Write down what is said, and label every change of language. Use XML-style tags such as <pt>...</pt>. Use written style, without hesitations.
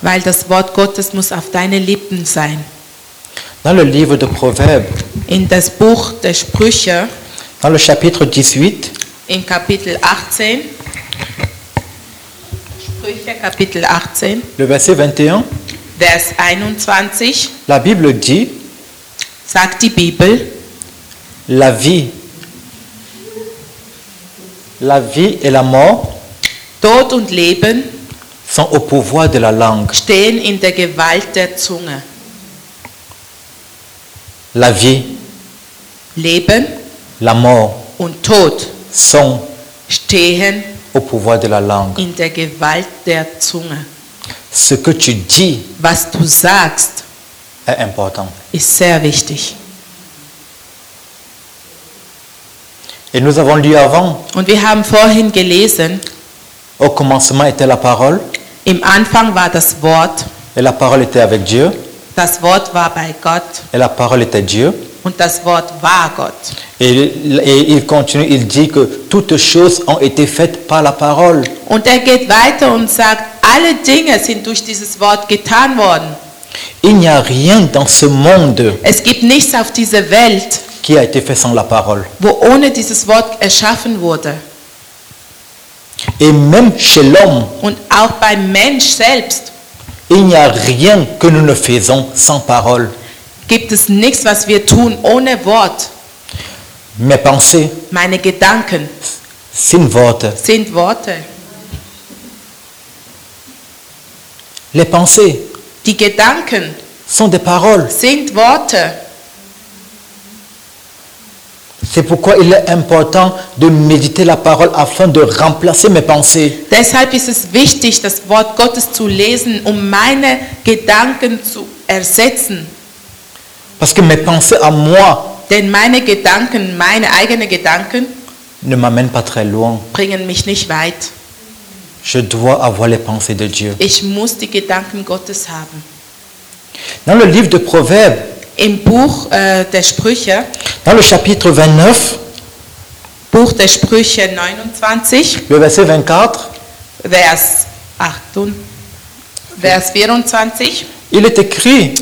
<de>Weil das Wort Gottes muss auf deine Lippen sein.</de> <fr>Dans le livre de Proverbes.</fr> <de>In das Buch der Sprüche.</de> <fr>Dans le chapitre 18.</fr> <de>In Kapitel 18. Sprüche Kapitel 18.</de> <fr>Le verset 21.</fr> <de>Vers 21.</de> <fr>La Bible dit.</fr> <de>Sagt die Bibel.</de> <fr>La vie et la mort.</fr> <de>Tod und Leben</de> <fr>sont au pouvoir de la langue.</fr> <de>Stehen in der Gewalt der Zunge.</de> <fr>La vie,</fr> <de>Leben,</de> <fr>la mort</fr> <de>und Tod</de> <fr>sont</fr> <de>stehen</de> <fr>au pouvoir de la langue.</fr> <de>In der Gewalt der Zunge.</de> <fr>Ce que tu dis,</fr> <de>was du sagst,</de> <fr>est important.</fr> <de>Ist sehr wichtig.</de> <fr>Et nous avons lu avant.</fr> <de>Und wir haben vorhin gelesen.</de> <fr>Au commencement était la parole.</fr> <de>Im Anfang war das Wort.</de> <fr>Et la parole était avec Dieu.</fr> <de>Das Wort war bei Gott.</de> <fr>Et la parole était Dieu.</fr> <de>Und das Wort war Gott.</de> <fr>Et il continue, il dit que toutes choses ont été faites par la parole.</fr> <de>Und er geht weiter und sagt, alle Dinge sind durch dieses Wort getan worden.</de> <fr>Il n'y a rien dans ce monde.</fr> <de>Es gibt nichts auf dieser Welt.</de> <fr>Qui a été fait sans la parole.</fr> <de>Wo ohne dieses Wort erschaffen wurde.</de> <fr>Et même chez l'homme,</fr> <de>und auch beim Mensch selbst,</de> <fr>il n'y a rien que nous ne faisons sans parole.</fr> <de>Gibt es nichts, was wir tun ohne Wort.</de> <fr>Mes pensées,</fr> <de>meine Gedanken, sind Worte.</de> <fr>Les pensées,</fr> <de>die Gedanken,</de> <fr>sont des paroles,</fr> <de>sind Worte.</de> <fr>C'est pourquoi il est important de méditer la parole afin de remplacer mes pensées.</fr> <de>Deshalb ist es wichtig, das Wort Gottes zu lesen, um meine Gedanken zu ersetzen.</de> <fr>Parce que mes pensées à moi,</fr> <de>denn meine Gedanken, meine eigenen Gedanken,</de> <fr>ne m'amènent pas très loin.</fr> <de>Bringen mich nicht weit.</de> <fr>Je dois avoir les pensées de Dieu.</fr> <de>Ich muss die Gedanken Gottes haben.</de> <fr>Dans le livre de Proverbes,</fr> <de>im Buch der Sprüche,</de> <fr>dans le chapitre 29,</fr> <de>Buch der Sprüche 29,</de> <fr>le verset 24,</fr> <de>Vers 24,</de> <fr>il est écrit,</fr>